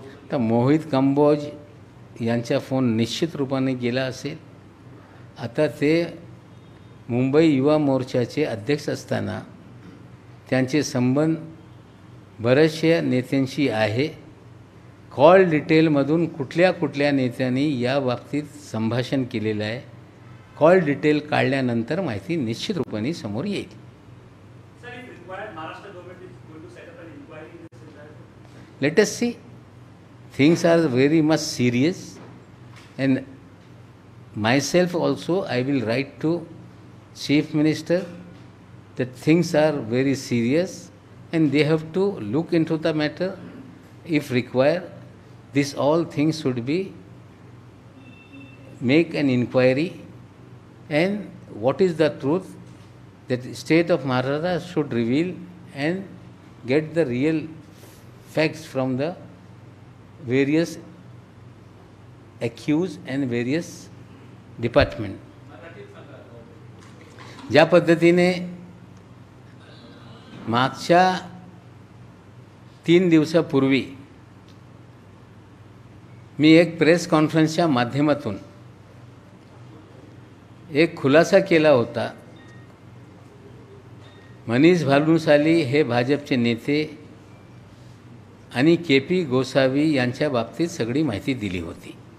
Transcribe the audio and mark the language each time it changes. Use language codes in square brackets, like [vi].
[mr] तो मोहित कंबोज यांचा फोन निश्चित रूपाने गेला असेल, आता ते मुंबई युवा मोर्चाचे अध्यक्ष असताना त्यांचे संबंध बऱ्याचशा नेत्यांशी आहे, कॉल डिटेलमधून कुठल्या कुठल्या नेत्यांनी या बाबतीत संभाषण केलेलं आहे, कॉल डिटेल काढल्यानंतर माहिती निश्चित रूपाने समोर येईल। [en] Let us see, things are very much serious, and myself also I will write to chief minister that things are very serious and they have to look into the matter. If required, this all things should be make an inquiry, and what is the truth that the state of Maharashtra should reveal and get the real facts from the various accused and various department. [mr] ज्या पद्धतीने मागच्या 3 दिवसापूर्वी मी एक press कॉन्फरन्सच्या माध्यमातून एक खुलासा केला होता, मनीष भालुसाली हे भाजपचे नेते आणि KP गोसावी यांच्या बाबतीत सगळी माहिती दिली होती।